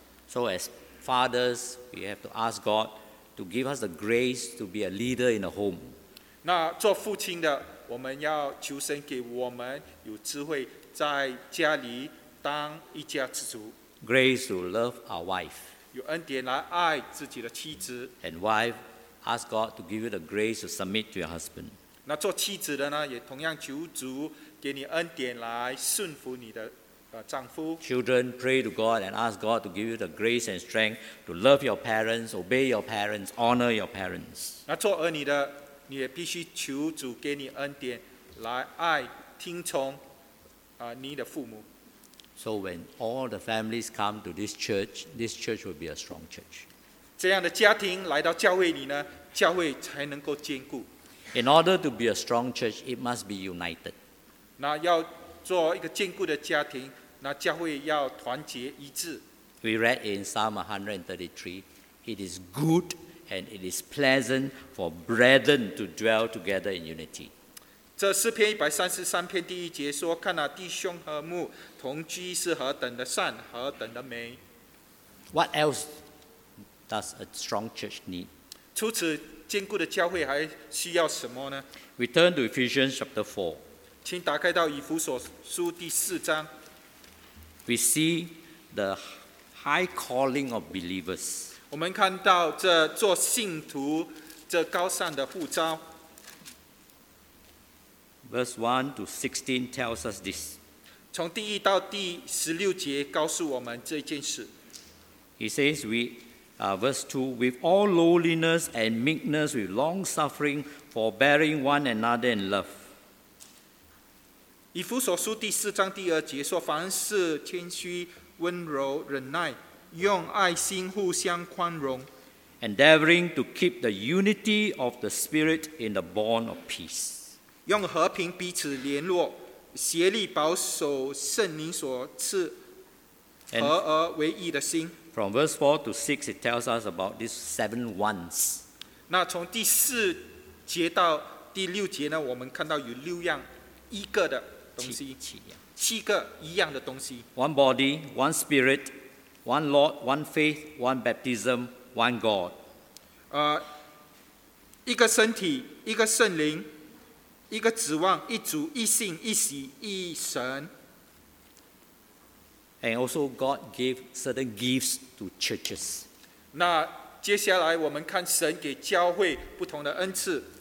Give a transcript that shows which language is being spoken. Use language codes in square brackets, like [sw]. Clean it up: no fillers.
[en] So as fathers, we have to ask God. To give us the grace to be a leader in a home. [zh] 那做父亲的，我们要求神给我们有智慧，在家里当一家之主。 [en] Grace to love our wife. [zh] 有恩典来爱自己的妻子。 [en] And wife, ask God to give you the grace to submit to your husband. [zh] 那做妻子的呢，也同样求主给你恩典来顺服你的丈夫。 [en] Children, pray to God and ask God to give you the grace and strength to love your parents, obey your parents, honor your parents. [zh] 那做儿女的，你也必须求主给你恩典，来爱、听从你的父母。 [en] So when all the families come to this church will be a strong church. [zh] 这样的家庭来到教会里呢，教会才能够坚固。 [en] In order to be a strong church, it must be united. [zh] 那要做一个坚固的家庭，那教会要团结一致。 [en] We read in Psalm 133, "It is good and it is pleasant for brethren to dwell together in unity." [zh] 这诗篇133篇第一节说：“看那弟兄和睦同居是何等的善，何等的美。” [en] What else does a strong church need? [zh] 除此，坚固的教会还需要什么呢？ [en] We turn to Ephesians chapter 4. [zh] 请打开到以弗所书第四章。 [en] We see the high calling of believers. [zh] 我们看到这做信徒这高尚的呼召。 [en] Verse 1 to 16 tells us this. [zh] 从第一到第十六节告诉我们这件事。 [en] He says, verse 2, with all lowliness and meekness, with long suffering, forbearing one another in love. [zh] 以弗所书第四章第二节说：“凡事谦虚、温柔、忍耐，用爱心互相宽容 [en] ，endeavoring to keep the unity of the spirit in the bond of peace。” [zh] 用和平彼此联络，协力保守圣灵所赐合而为一的心。 [en] From verse 4 to 6, it tells us about these seven ones. [zh] 那从第四节到第六节呢，我们看到有六样一个的东西，七个一样的东西。 [en] One body, one spirit, one Lord, one faith, one baptism, one God. [zh] 一个身体，一个圣灵，一个指望，一主，一信，一喜，一神。 [en] And also God gave certain gifts to churches. [zh] 那接下来我们看神给教会不同的恩赐。